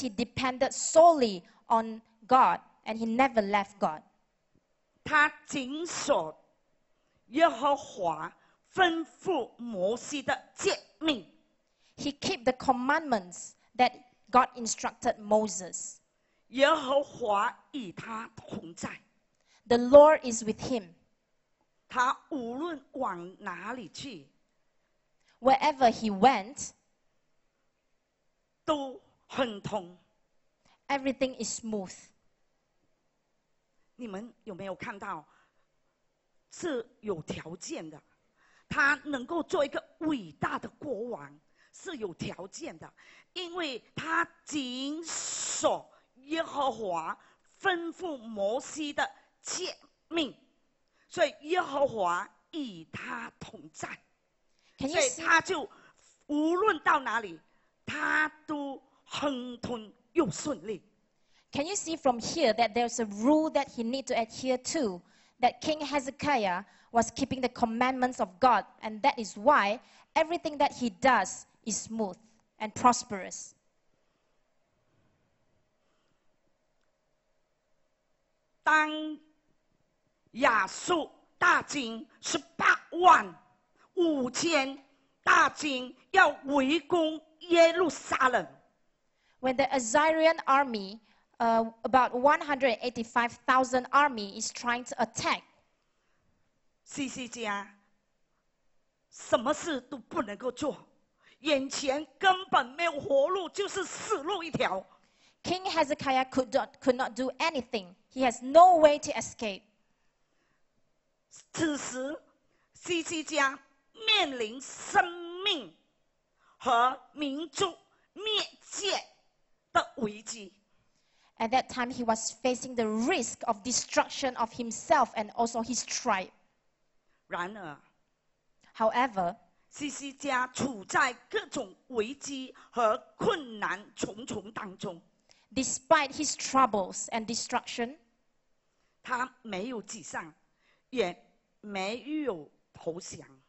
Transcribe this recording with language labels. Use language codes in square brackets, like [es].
[en] he depended solely on God and he never left God. [zh] 他谨守耶和华吩咐摩西的诫命。 [en] He kept the commandments that God instructed Moses. [zh] 耶和华与他同在。 [en] The Lord is with him. [zh] 他无论往哪里去。 [en] Wherever he went, [zh] 都很通。 [en] Everything is smooth. [zh] 你们有没有看到是有条件的？他能够做一个伟大的国王是有条件的，因为他谨守耶和华吩咐摩西的诫命，所以耶和华与他同在。 [en] Can you see? [zh] 所以他就无论到哪里他都亨通又顺利。 [en] Can you see from here that there's a rule that he need to adhere to, that King Hezekiah was keeping the commandments of God, and that is why everything that he does is smooth and prosperous. [zh] 当亚述大军185,000大军要围攻耶路撒冷。 [en] When the Assyrian army, about 185,000 army is trying to attack. [zh] 西西家什么事都不能够做，眼前根本没有活路，就是死路一条。 [en] King Hezekiah could not do anything. He has no way to escape. [zh] 此时，西西家面临生命和民族灭绝的危机。 [en] At that time, he was facing the risk of destruction of himself and also his tribe. [zh] 然而 [en] ，However， [zh] 西西家处在各种危机和困难重重当中。 [en] Despite his troubles and destruction， [zh] 他没有沮丧，也没有投降。